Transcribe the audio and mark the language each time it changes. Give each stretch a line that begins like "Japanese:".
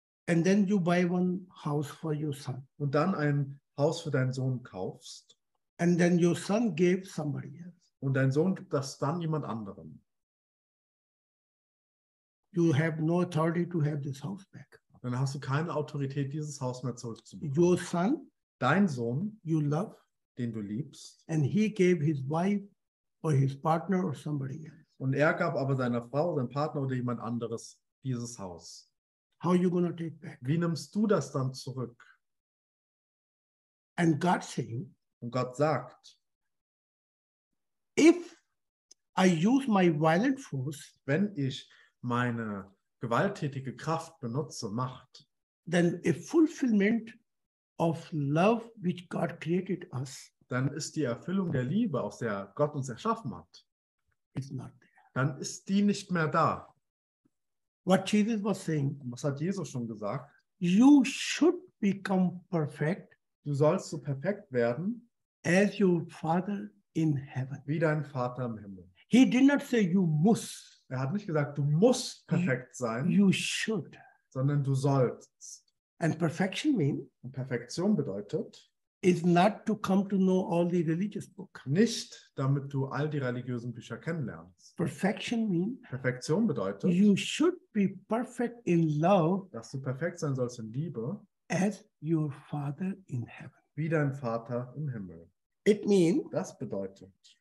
English: and then you buy one house for your son,
German: und dann ein Haus für deinen Sohn kaufst
English: and then your son gave somebody else,
German: und dein Sohn gibt das dann jemand anderem.
English: You have no authority to have this house back.
German: Dann hast du keine Autorität, dieses Haus mehr zurückzubekommen.
English: Your son,
German: dein Sohn,
English: you love,
German: den du liebst,
English: and he gave his wife or his partner or somebody else.
German: Und er gab aber seiner Frau, seinem Partner oder jemand anderes dieses Haus.
English: How are you going to take back?
German: Wie nimmst du das dann zurück?
English: And God saying,
German: und Gott sagt,
English: if I use my violent force,
German: wenn ich meine gewalttätige Kraft benutze, Macht,
English: then a fulfillment of love which God created us,
German: dann ist die Erfüllung der Liebe, aus der Gott uns erschaffen hat,
English: is not there.
German: Dann ist die nicht mehr da.
English: What Jesus was saying,
German: was hat Jesus schon gesagt?
English: You should become perfect,
German: du sollst so perfekt werden,
English: as your Father in heaven.
German: Wie dein Vater im Himmel.
English: He did not say you must.
German: Er hat nicht gesagt, du musst perfekt sein.
English: You should.
German: Sondern du sollst.
English: And perfection means,
German: und Perfektion bedeutet,
English: is not to come to know all the religious books.
German: Nicht, damit du all die religiösen Bücher kennenlernst.
English: Perfection means,
German: Perfektion bedeutet,
English: you should be perfect in love,
German: dass du perfekt sein sollst in Liebe,
English: as your Father in heaven.
German: Wie dein Vater im Himmel.
English: It means,
German: das bedeutet,